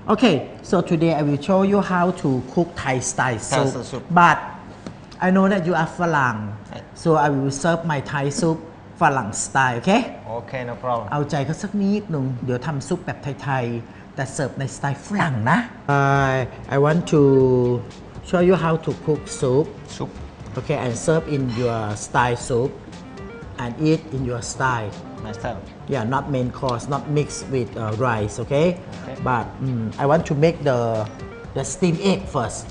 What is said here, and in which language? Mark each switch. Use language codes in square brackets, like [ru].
[en] Okay, so today I will show you how to cook Thai style soup. But I know that you are Falang, so I will serve my Thai soup Falang style. Okay. Okay, no problem. [th] เอาใจเขาสักนิดนึงเดี๋ยวทำซุปแบบไทยๆแต่เสิร์ฟในสไตล์ฝรั่งนะ [en] I want to show you how to cook soup. Soup. Okay, and serve in your style soup, and eat in your style. Myself. Yeah, not main course, not mixed with rice, okay? Okay. But I want to make the steamed egg first.